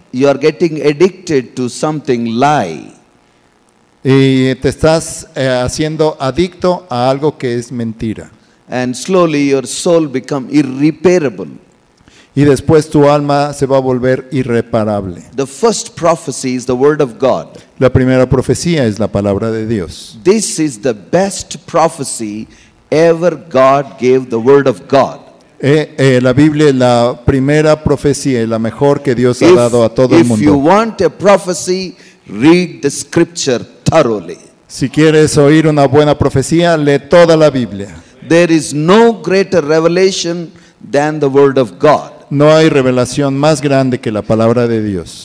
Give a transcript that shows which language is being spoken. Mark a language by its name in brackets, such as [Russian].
[English] You are getting addicted to something lie. [Spanish] Y te estás haciendo adicto a algo que es mentira. [English] And slowly your soul become irreparable. [Spanish] Y después tu alma se va a volver irreparable. [English] The first prophecy is the word of God. [Spanish] La primera profecía es la palabra de Dios. [English] This is the best prophecy ever God gave the word of God. [Spanish] La Biblia es la primera profecía, la mejor que Dios ha dado a todo [English] if [Spanish] el mundo. [English] If you want a prophecy, read the scripture thoroughly. [Spanish] Si quieres oír una buena profecía, lee toda la Biblia. [English] There is no greater revelation than the word of God. [Spanish] No hay revelación más grande que la palabra de Dios.